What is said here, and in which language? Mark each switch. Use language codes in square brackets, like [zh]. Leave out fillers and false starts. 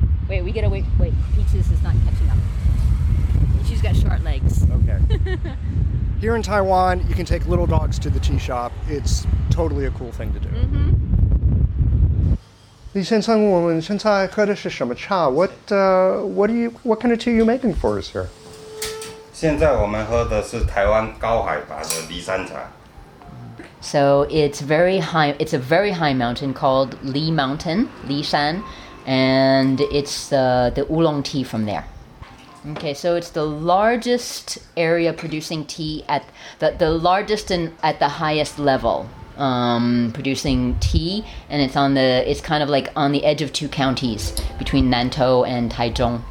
[en] Wait, Peaches is not catching up. She's got short legs. Okay. Here in Taiwan, you can take little dogs to the tea shop. It's totally a cool thing to do. What kind of tea are you making for us here? [zh] 现在我们喝的是台湾高海拔的梨山茶. [en] So it's very high. It's a very high mountain called Li Mountain, Li Shan, and it's the oolong tea from there. Okay, so it's the largest area producing tea at the largest and at the highest level producing tea, and it's kind of like on the edge of two counties between Nantou and Taichung.